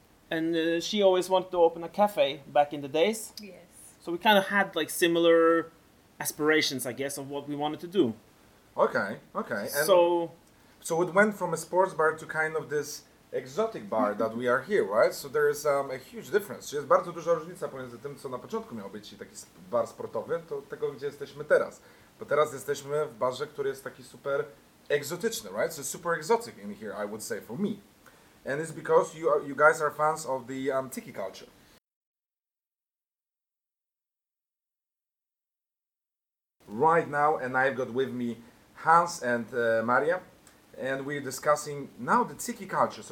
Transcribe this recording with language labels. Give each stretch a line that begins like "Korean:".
English: And she always wanted to open a cafe back in the days. Yes. So we kind of had like similar aspirations, I guess, of what we wanted to do. Okay, okay. And so it went from a sports bar to kind of this exotic bar that we are here, right? So there is a huge difference.
Polish: Czy jest bardzo duża różnica pomiędzy tym, co na początku miał być taki bar sportowy, to tego, gdzie jesteśmy teraz. Bo teraz jesteśmy w barze, który jest taki super egzotyczny, right?
English: So super exotic in here, I would say, for me. And it's because you guys are fans of the Tiki culture. Right now, and I've got with me Hans and Maria, and we're discussing now the Tiki culture.